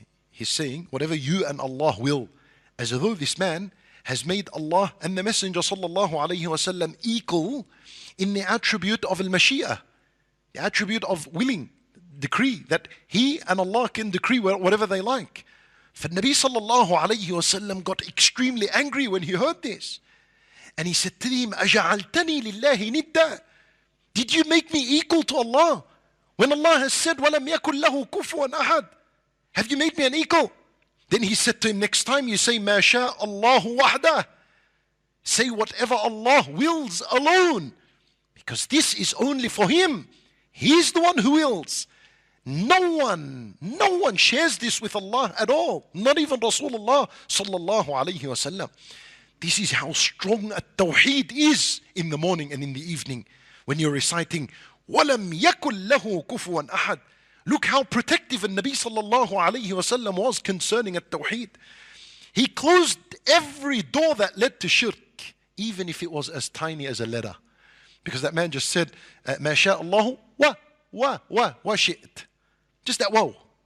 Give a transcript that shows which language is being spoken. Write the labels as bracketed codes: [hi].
[en] He's saying, whatever you and Allah will. As though this man has made Allah and the Messenger sallallahu alayhi wa sallam equal in the attribute of al-mashi'ah, the attribute of willing, decree, that he and Allah can decree whatever they like. For Nabi sallallahu alayhi wa sallam got extremely angry when he heard this. And he said to him, [ar] أَجَعَلْتَنِي لِلَّهِ نِدَّا. [en] Did you make me equal to Allah? When Allah has said, [ar] وَلَمْ يَكُلْ لَهُ كُفُوًا أَحَدْ. [en] Have you made me an equal? Then he said to him, next time you say, [ar] مَا شَاءَ اللَّهُ وَحْدَهُ. [en] Say whatever Allah wills alone. Because this is only for him. He's the one who wills. No one shares this with Allah at all. Not even Rasulullah sallallahu alayhi wa sallam. This is how strong a tawheed is in the morning and in the evening. When you're reciting, [ar] وَلَمْ يَكُلْ لَهُ كُفُوًا أَحَدْ. [en] Look how protective the Nabi sallallahu alayhi wa sallam was concerning at-tawheed. He closed every door that led to shirk, even if it was as tiny as a letter. Because that man just said, [ar] مَا شَاءَ اللَّهُ وَا شِئْتْ. [en] Just that woe.